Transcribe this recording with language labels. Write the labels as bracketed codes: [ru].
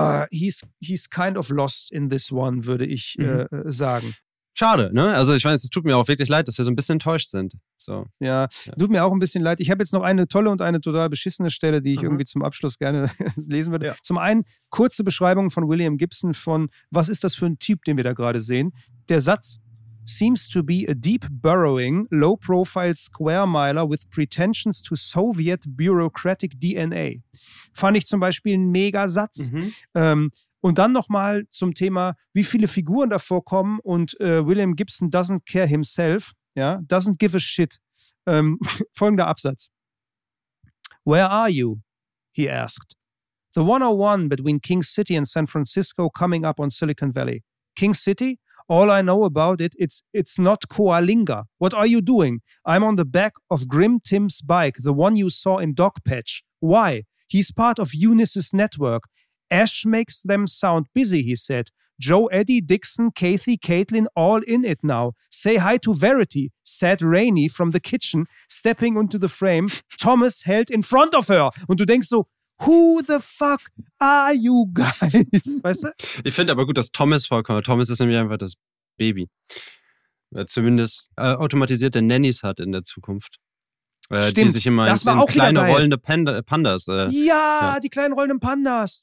[en] He's kind of lost in this one, [de] würde ich sagen. Schade, ne? Also ich weiß, es tut mir auch wirklich leid, dass wir so ein bisschen enttäuscht sind. So. Ja, tut mir auch ein bisschen leid. Ich habe jetzt noch eine tolle und eine total beschissene Stelle, die ich irgendwie zum Abschluss gerne lesen würde. Ja. Zum einen kurze Beschreibung von William Gibson von, was ist das für ein Typ, den wir da gerade sehen? Der Satz, [en] seems to be a deep burrowing, low-profile square miler with pretensions to Soviet bureaucratic DNA. [de] Fand ich zum Beispiel einen mega Satz. Und dann nochmal zum Thema, wie viele Figuren davor kommen und William Gibson [en] doesn't care himself, [de] ja, [en] doesn't give a shit. [de] Folgender Absatz. [en] Where are you? He asked. The 101 between King City and San Francisco coming up on Silicon Valley. King City? All I know about it, it's not Coalinga. What are you doing? I'm on the back of Grim Tim's bike, the one you saw in Dogpatch. Why? He's part of Unisys network. Ash makes them sound busy, he said. Joe, Eddie, Dixon, Kathy, Caitlin, all in it now. Say hi to Verity, said Rainey from the kitchen, stepping into the frame, Thomas held in front of her. [de] Und du denkst so, [en] who the fuck are you guys? [de] Weißt du? Ich finde aber gut, dass Thomas vorkommt. Thomas ist nämlich einfach das Baby. Zumindest automatisierte Nannies hat in der Zukunft. Stimmt. Die sich immer in kleine rollende Pandas. Die kleinen rollenden Pandas.